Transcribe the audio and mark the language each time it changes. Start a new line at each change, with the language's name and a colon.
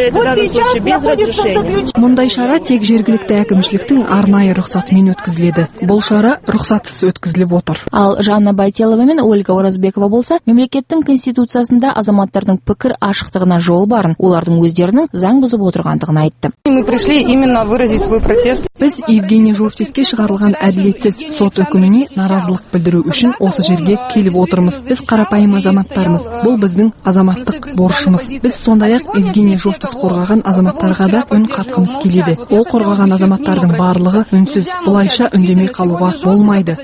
Kazakh: Мұндай шара тек жергілікті әкімшіліктің арнайы рұқсатымен өткізіледі. Бұл шара рұқсатсыз өткізіліп отыр. Ал Жанна Байтелова мен Ольга Оразбекова болса, мемлекеттің конституциясында азаматтардың пікір ашықтығына жол барын, олардың өздерінің заң бұзып отырғандығын айтты.
Russian: Мы пришли именно выразить свой протест.
Kazakh: Біз Евгений Жовтиске шығарылған әділетсіз сот үкіміне наразылық білдіру үшін осы жерге келіп отырмыз. Біз қарапайым азаматтарымыз. Бұл біздің азаматтық борышымыз. Біз сондай-ақ Евгений Жовтис қорғаған азаматтарға да үн қатқымыз келеді. Ол қорғаған азаматтардың барлығы үнсіз. Бұлайша үндемей қалуға болмайды.